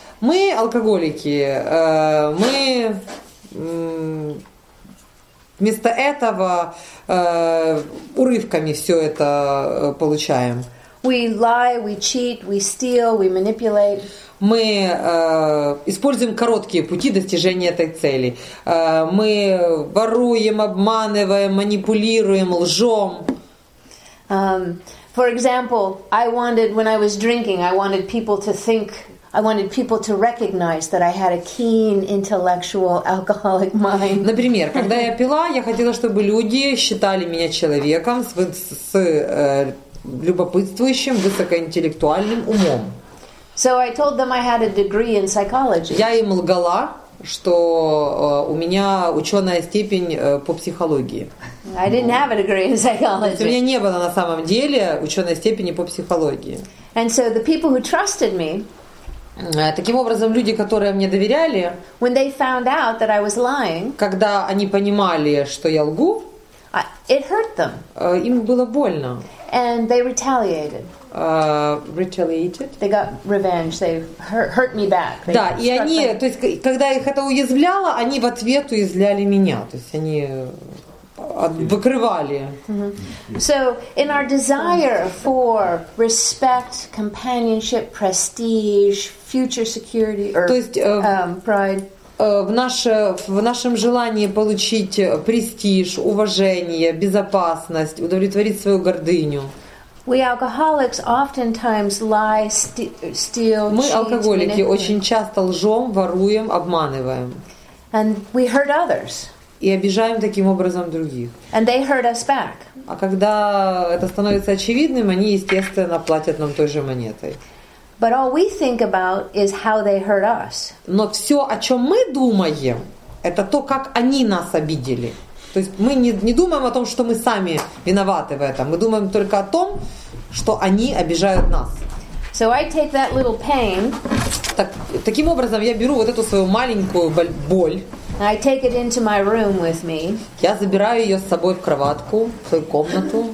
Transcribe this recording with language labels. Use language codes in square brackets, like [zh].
[ru] Мы алкоголики, мы вместо этого урывками все это получаем. [en] We lie, we cheat, we steal, we manipulate. [ru] Мы используем короткие пути достижения этой цели. Мы воруем, обманываем, манипулируем, лжем. [en] For example, I wanted people to recognize that I had a keen intellectual alcoholic mind. [ru] Например, когда я пила, я хотела, чтобы люди считали меня человеком с любопытствующим, высокоинтеллектуальным умом. [en] So I told them I had a degree in psychology. [ru] Я им лгала, что у меня ученая степень по психологии. [en] I didn't have a degree in psychology. [ru] У меня не было на самом деле ученой степени по психологии. [en] And so the people who trusted me. [ru] Таким образом, люди, которые мне доверяли, [en] when they found out that I was lying, [ru] когда они понимали, что я лгу, [en] it hurt them. [ru] Им было больно. [en] And they retaliated. Retaliated. They got revenge. They hurt me back. [ru] Да, и они, то есть, когда их это уязвляло, они в ответ уязвляли меня. То есть они выкрывали. [en] Mm-hmm. So in our desire for respect, companionship, prestige, future security, or pride. [ru] В нашем желании получить престиж, уважение, безопасность, удовлетворить свою гордыню. [en] We alcoholics oftentimes lie, steal, cheat. [ru] Мы алкоголики очень часто лжем, воруем, обманываем. [en] And we hurt others. [ru] И обижаем таким образом других. [en] And they hurt us back. [ru] А когда это становится очевидным, они, естественно, платят нам той же монетой. [en] But all we think about is how they hurt us. [ru] Но все, о чем мы думаем, это то, как они нас обидели. То есть мы не думаем о том, что мы сами виноваты в этом. Мы думаем только о том, что они обижают нас. [en] So I take that little pain. [ru] Таким образом, я беру вот эту свою маленькую боль. [en] I take it into my room with me. [ru] Я забираю ее с собой в кроватку, в свою комнату.